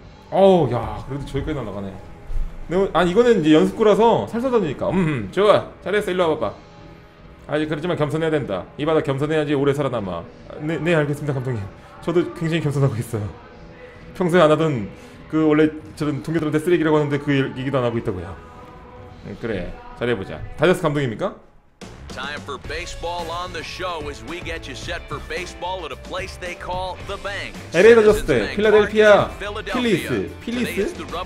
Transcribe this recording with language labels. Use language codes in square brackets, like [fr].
[ko] 어우, 야, 그래도 저기까지 날아가네. 아, 이거는 이제 연습구라서 살살 던지니까. 좋아. 잘했어. 일로 와봐봐. 아직 그렇지만 겸손해야 된다. 이 바닥 겸손해야지 오래 살아남아. 아, 네, 네, 알겠습니다, 감독님. 저도 굉장히 겸손하고 있어요. 평소에 안 하던 그 원래 저런 동료들한테 쓰레기라고 하는데 그 얘기도 안 하고 있다고요. 그래, 잘해보자. 다저스 감독입니까? [en] Time for baseball on the show as we get you set for baseball at a place they call the bank. [ko] LA 다저스, 필라델피아, 필리스, 필리스?